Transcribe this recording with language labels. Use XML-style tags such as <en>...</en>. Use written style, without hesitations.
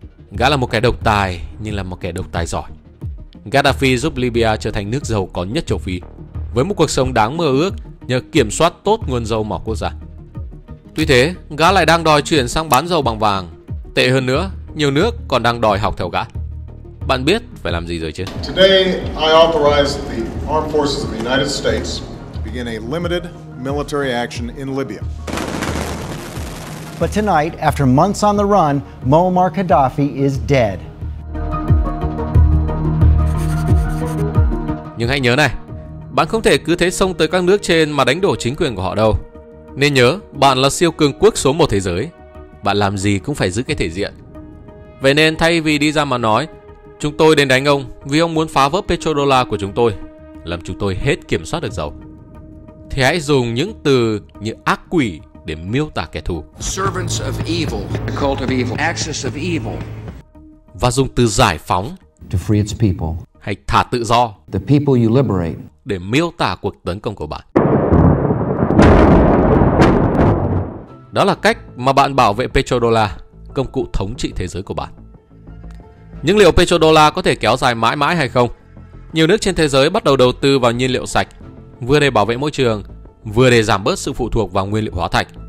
<vi>Gã là một kẻ độc tài, nhưng là một kẻ độc tài giỏi. Gaddafi giúp Libya trở thành nước giàu có nhất châu Phi, với một cuộc sống đáng mơ ước nhờ kiểm soát tốt nguồn dầu mỏ quốc gia. Tuy thế, gã lại đang đòi chuyển sang bán dầu bằng vàng. Tệ hơn nữa, nhiều nước còn đang đòi học theo gã. Bạn biết phải làm gì rồi chứ?</vi> <en>Today, I authorize the armed forces of the United States to begin a limited military action in Libya. But tonight, after months on the run, Muammar Gaddafi is dead.</en> <vi>Nhưng hãy nhớ này, bạn không thể cứ thế xông tới các nước trên mà đánh đổ chính quyền của họ đâu. Nên nhớ, bạn là siêu cường quốc số một thế giới. Bạn làm gì cũng phải giữ cái thể diện. Vậy nên thay vì đi ra mà nói, chúng tôi đến đánh ông vì ông muốn phá vỡ petrodollar của chúng tôi, làm chúng tôi hết kiểm soát được dầu, thì hãy dùng những từ như ác quỷ để miêu tả kẻ thù.</vi> <en>Servants of evil, the cult of evil, axis of evil.</en> <vi>Và dùng từ giải phóng,</vi> <en>to free its people,</en> <vi>hay thả tự do,</vi> <en>the people you liberate,</en> <vi>để miêu tả cuộc tấn công của bạn. Đó là cách mà bạn bảo vệ petrodollar, công cụ thống trị thế giới của bạn. Nhưng liệu petrodollar có thể kéo dài mãi mãi hay không? Nhiều nước trên thế giới bắt đầu đầu tư vào nhiên liệu sạch, vừa để bảo vệ môi trường, vừa để giảm bớt sự phụ thuộc vào nguyên liệu hóa thạch.</vi>